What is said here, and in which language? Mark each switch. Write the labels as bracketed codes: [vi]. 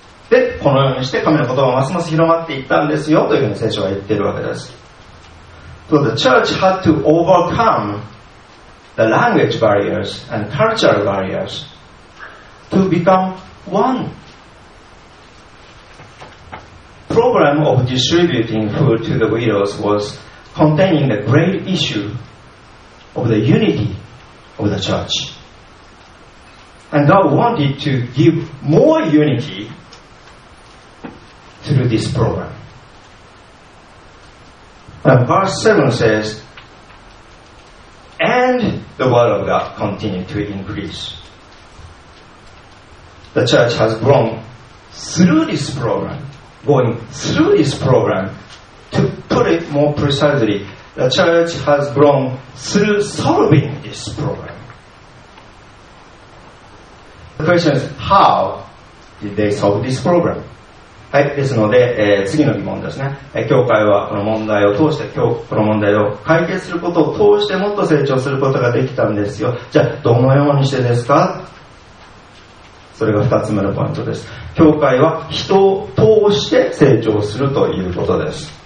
[ja] で、このようにして神の言葉はますます広まっていったんですよというふうに聖書は言っているわけです。 [en] So the church had to overcome the language barriers and cultural barriers to become one. Problem of distributing food to the widows was containing the great issue of the unity of the church. And God wanted to give more unity through this program. And verse 7 says, And the word of God continued to increase. The church has grown through this program, going through this program. To put it more precisely, the church has grown through solving this problem. The question is, how did they solve this problem? [ja] はい、ですので、次の疑問ですね、教会はこの問題を通して、この問題を解決することを通してもっと成長することができたんですよ。じゃあどのようにしてですか。それが2つ目のポイントです。教会は人を通して成長するということです。